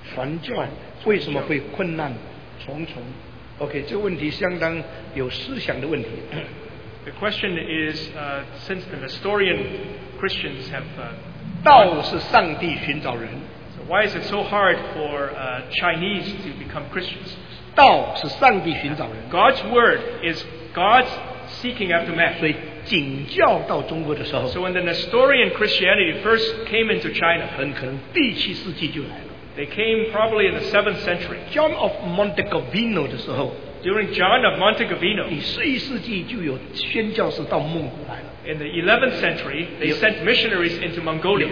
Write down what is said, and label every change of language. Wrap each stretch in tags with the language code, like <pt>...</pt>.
<zh>传教为什么会困难重重？OK，这个问题相当有思想的问题。</zh> <en>The question is, since the Nestorian Christians have so why is it so hard for Chinese to become Christians?</en> <zh>道是上帝寻找人.</zh> <en>God's word is God's seeking after man.</en> <zh>所以景教到中国的时候,</zh> <en>so when the Nestorian Christianity first came into China,</en> <zh>很可能第七世纪就来了.</zh> <en>They came probably in the 7th century.</en> <zh>John of Montecavino的时候,</zh> <en>during John of Montecavino,</en> <zh>第十一世纪就有宣教士到蒙古来了.</zh> <en>In the 11th century, they sent missionaries into Mongolia.</en>